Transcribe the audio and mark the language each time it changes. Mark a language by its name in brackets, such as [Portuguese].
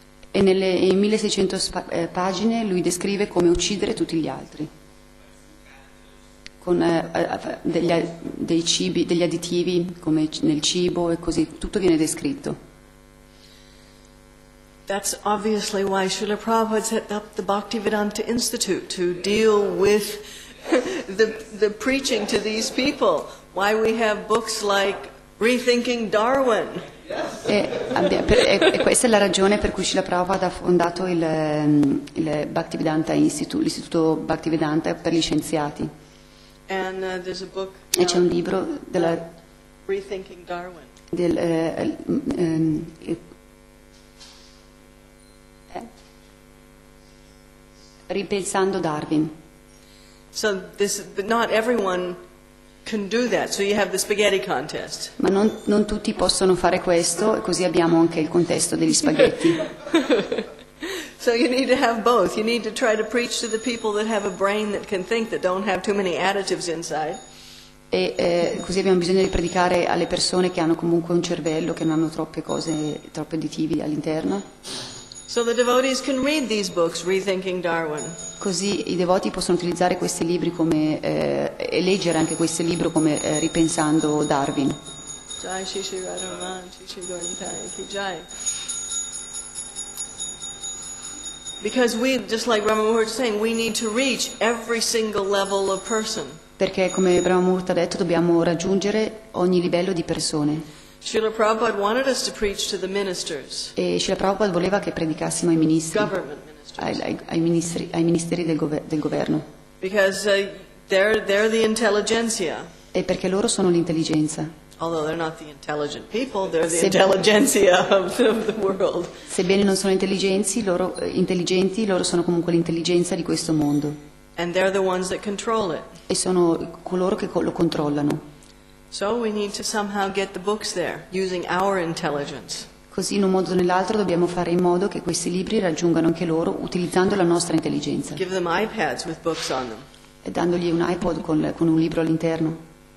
[Italian] E nelle, in 1600 pagine lui descrive come uccidere tutti gli altri. Con dei cibi, degli additivi come nel cibo e così, tutto viene descritto. [English] That's obviously why Srila Prabhupada set up the Bhaktivedanta Institute to deal with the preaching to these people. Why we have books like Rethinking Darwin. [Italian] E questa è la ragione per cui Srila Prabhupada ha fondato il Bhaktivedanta Institute, l'Istituto Bhaktivedanta per gli scienziati. [English] And there's a book, [Italian] e c'è un libro della [English] Rethinking Darwin. [Italian] Del ripensando Darwin. [English] So this, but not everyone can do that. So you have the spaghetti contest. [Italian] Ma non tutti possono fare questo, e così abbiamo anche il contesto degli spaghetti. [English] So you need to have both. You need to try to preach to the people that have a brain that can think, that don't have too many additives inside. [Italian] E così abbiamo bisogno di predicare alle persone che hanno comunque un cervello, che non hanno troppe cose, troppi additivi all'interno. [English] So the devotees can read these books, Rethinking Darwin. [Italian] Così i devoti possono utilizzare questi libri come e leggere anche questo libro come Ripensando Darwin. [Hindi] Jai Shri Shri Radharaman, Shri Shri Gaurantai, Ki Jai. [English] Because we, just like Ramamurti was saying, we need to reach every single level of person. [Italian] Perché come Ramamurti ha detto, dobbiamo raggiungere ogni livello di persone. [English] Srila Prabhupada wanted us to preach to the ministers. [Italian] E Srila Prabhupada voleva che predicassimo ai ministri. [English] Government ministers. [Italian] Ai ministeri del governo. [English] Because they're the intelligentsia. [Italian] E perché loro sono l'intelligenza. [English] Although they're not the intelligent people, they're the intelligentsia of the world. [Italian] Sebbene non sono intelligenti, loro sono comunque l'intelligenza di questo mondo. [English] And they're the ones that control it. [Italian] E sono coloro che lo controllano. [English] So we need to somehow get the books there using our intelligence. [Italian] Così in un modo o nell'altro dobbiamo fare in modo che questi libri raggiungano anche loro utilizzando la nostra intelligenza. [English] Give them iPads with books on them. [Italian] E dandogli un iPod con un libro all'interno.